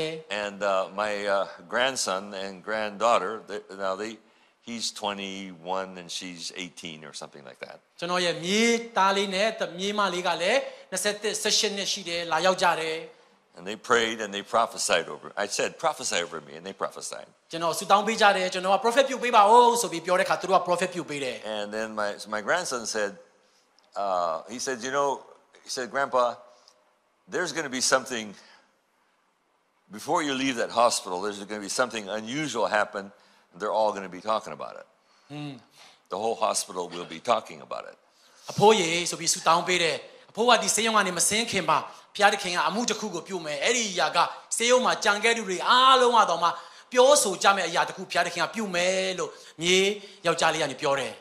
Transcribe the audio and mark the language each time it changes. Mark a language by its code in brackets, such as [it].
[en] And my grandson and granddaughter, they, now they He's 21 and she's 18 or something like that. [my] ကျွန်တော်ရဲ့မိသားလေးနဲ့မိမလေးကလည်း27 session နဲ့ရှိတယ်လာရောက်ကြတယ်. [en] And they prayed and they prophesied over. I said prophesy over me and they prophesied. [my] ကျွန်တော်စုတောင်းပေးကြတယ်ကျွန်တော်က prophet ပြုပေးပါဦးဆိုပြီးပြောတဲ့အခါသူတို့က prophet ပြုပေးတယ်. [en] And then my grandson said he said you know he said grandpa there's going to be something before you leave that hospital there's going to be something unusual happen. They're all going to be talking about it. Hmm. The whole hospital will be talking about it. [my] အဖိုးရေဆိုပြီးဆူတောင်းပေးတယ်။အဖိုးကဒီဆေးရုံကနေမစင်းခင်ပါဘုရားသခင်ကအမှုတစ်ခုကိုပြုမယ်။အဲ့ဒီအရာကဆေးရုံမှာကြံခဲ့သူတွေအားလုံးကတော့မှပြောဆိုကြမယ့်အရာတစ်ခုဘုရားသခင်ကပြုမယ်လို့မြေယောက်ျားလေးကနေပြောတယ်